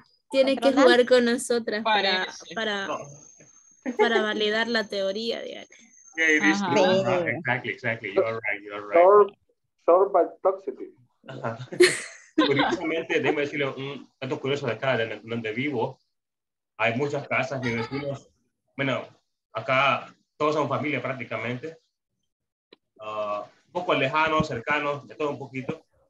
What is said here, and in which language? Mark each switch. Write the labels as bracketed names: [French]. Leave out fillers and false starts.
[Spanish] Tiene que jugar con nosotras para validar la teoría de [English] aquí. Yeah, it is true. Exactly. You are right. Sorbitoxicity. [Spanish] Curiosamente, déjame decirle un dato curioso de acá, de donde vivo. Hay muchas casas, mis vecinos. Bueno, acá todos son familia prácticamente. Un poco lejanos, cercanos, de todo un poquito.